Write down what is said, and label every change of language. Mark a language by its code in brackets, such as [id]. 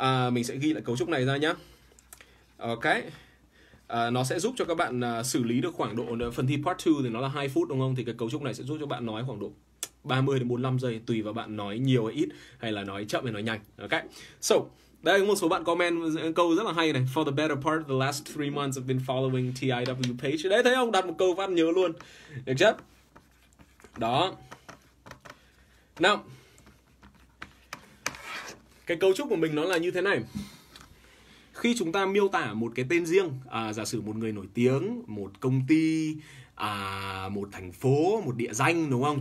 [vi] Mình sẽ ghi lại cấu trúc này ra nhá. Ok, nó sẽ giúp cho các bạn xử lý được khoảng độ phần thi part 2 thì nó là 2 phút đúng không? Thì cái cấu trúc này sẽ giúp cho bạn nói khoảng độ 30-45 giây, tùy vào bạn nói nhiều hay ít, hay là nói chậm hay nói nhanh. Ok, so đây có một số bạn comment câu rất là hay này. [en] For the better part of the last 3 months I've been following TIW page. [vi] Đấy, thấy không? Đặt một câu phát nhớ luôn, được chưa? Đó. Now, cái cấu trúc của mình nó là như thế này. Khi chúng ta miêu tả một cái tên riêng, giả sử một người nổi tiếng, một công ty, một thành phố, một địa danh, đúng không?